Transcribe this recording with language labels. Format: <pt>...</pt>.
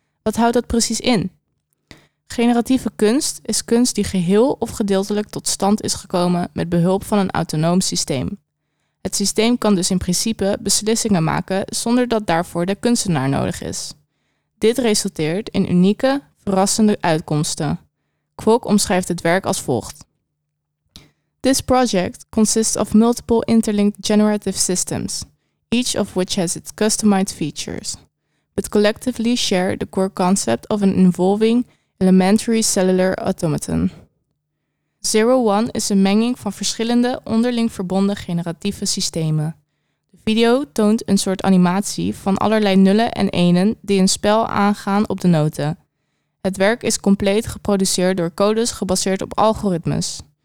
<nl>Wat houdt dat precies in? Generatieve kunst is kunst die geheel of gedeeltelijk tot stand is gekomen met behulp van een autonoom systeem. Het systeem kan dus in principe beslissingen maken zonder dat daarvoor de kunstenaar nodig is. Dit resulteert in unieke, verrassende uitkomsten. Kwok omschrijft het werk als volgt.</nl> <en>This project consists of multiple interlinked generative systems, each of which has its customized features, but collectively share the core concept of an evolving elementary cellular automaton.</en> <nl>01 is een menging van verschillende onderling verbonden generatieve systemen. De video toont een soort animatie van allerlei nullen en enen die een spel aangaan op de noten. Het werk is compleet geproduceerd door codes gebaseerd op algoritmes.</nl>